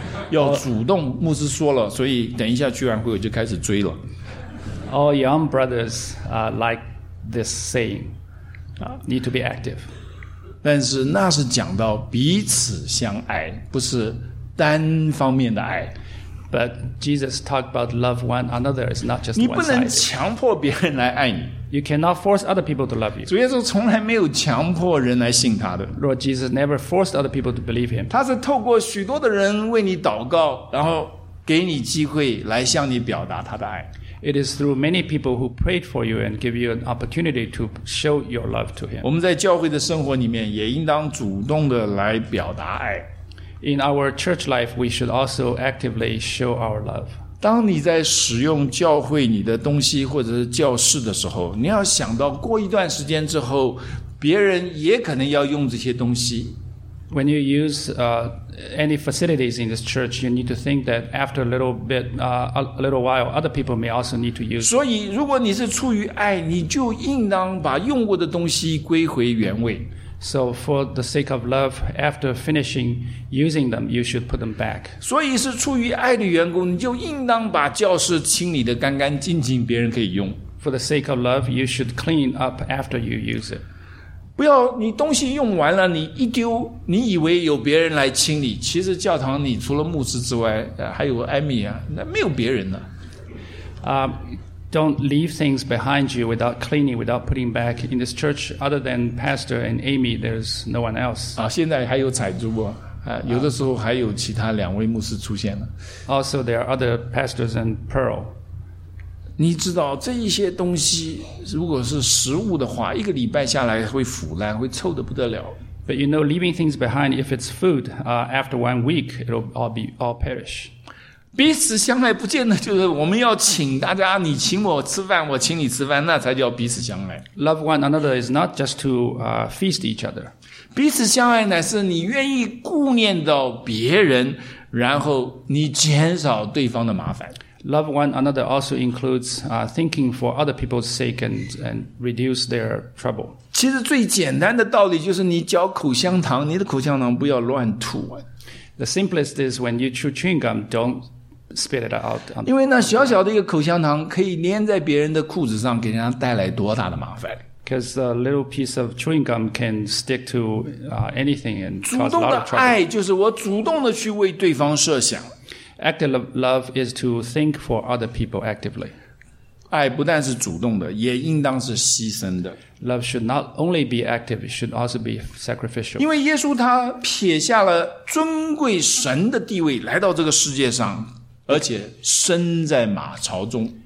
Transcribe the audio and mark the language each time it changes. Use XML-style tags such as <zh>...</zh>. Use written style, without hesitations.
<zh>要主动，牧师说了，所以等一下聚完会我就开始追了。</zh> <en>All young brothers like this saying. Need to be active.</en> <zh>但是那是讲到彼此相爱，不是单方面的爱。</zh> <en>But Jesus talked about love one another. It's not just one side.</en> <zh>你不能强迫别人来爱你。</zh> <en>You cannot force other people to love you.</en> <zh>主耶稣从来没有强迫人来信他的。</zh> <en>Lord Jesus never forced other people to believe him.</en> <zh>他是透过许多的人为你祷告，然后给你机会来向你表达他的爱。</zh> <en>It is through many people who prayed for you and give you an opportunity to show your love to him.</en> <zh>我们在教会的生活里面也应当主动的来表达爱。</zh> <en>In our church life, we should also actively show our love.</en> <zh>当你在使用教会你的东西或者是教室的时候，你要想到过一段时间之后，别人也可能要用这些东西。</zh> <en>When you use any facilities in this church, you need to think that after a little bit, a little while, other people may also need to use.</en> <zh>所以，如果你是出于爱，你就应当把用过的东西归回原位。</zh> <en>So for the sake of love, after finishing using them, you should put them back.</en> <zh>所以是出于爱的缘故，你就应当把教室清理得干干净净，别人可以用。</zh> <en>For the sake of love, you should clean up after you use it.</en> <zh>不要你东西用完了，你一丢，你以为有别人来清理，其实教堂里除了牧师之外，还有艾米啊，那没有别人了。</zh> <en>Don't leave things behind you without cleaning, without putting back. In this church, other than Pastor and Amy, there's no one else.</en> <zh>啊，现在还有彩珠啊，有的时候还有其他两位牧师出现了。</zh> <en>Also, there are other pastors and Pearl.</en> <zh>你知道这一些东西，如果是食物的话，一个礼拜下来会腐烂，会臭得不得了。</zh> <en>But you know, leaving things behind, if it's food, after 1 week, it'll all perish.</en> <zh>彼此相爱不见得就是我们要请大家你请我吃饭我请你吃饭，那才叫彼此相爱。</zh> <en>Love one another is not just to feast each other.</en> <zh>彼此相爱乃是你愿意顾念到别人，然后你减少对方的麻烦。</zh> <en>Love one another also includes thinking for other people's sake and reduce their trouble.</en> <zh>其实最简单的道理就是你嚼口香糖，你的口香糖不要乱吐啊。</zh> <en>The simplest is when you chew chewing gum, don't spit it out.</en> <zh>因为那小小的一个口香糖可以粘在别人的裤子上，给人家带来多大的麻烦。</zh> <en>Because a little piece of chewing gum can stick to anything and cause a lot of trouble.</en> <zh>主动的爱就是我主动的去为对方设想。</zh> <en>Active love is to think for other people actively.</en> <zh>爱不但是主动的，也应当是牺牲的。</zh> <en>Love should not only be active, it should also be sacrificial.</en> <zh>因为耶稣他撇下了尊贵神的地位来到这个世界上，而且生在马槽中。</zh>